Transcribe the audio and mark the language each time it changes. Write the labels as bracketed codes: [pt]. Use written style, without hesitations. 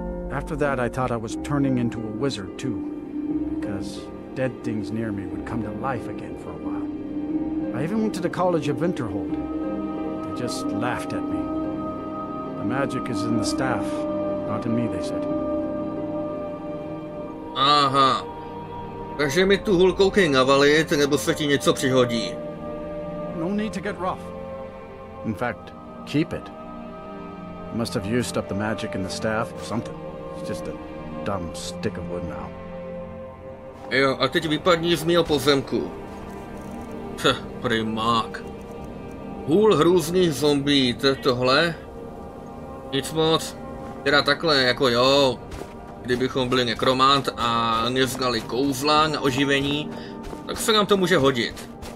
[en] After that, I thought I was turning into a wizard too, because dead things near me would come to life again for a while. I even went to the College of Winterhold. They just laughed at me. The magic is in the staff, not in me, they said. [cs] Aha, takže mi tu hůl koukej navalit, nebo se ti něco přihodí. [en] No need to get rough. In fact, keep it. You must have used up the magic in the staff or something. It's just a dumb stick of wood now. [cs] Jo, a teď vypadni z mýho pozemku. Heh, primák. Hůl hrůzných zombí, to je tohle? Nic moc. Teda takhle, jako jo. Kdybychom byli nekromant a neznali kouzla na oživení, tak se nám to může hodit.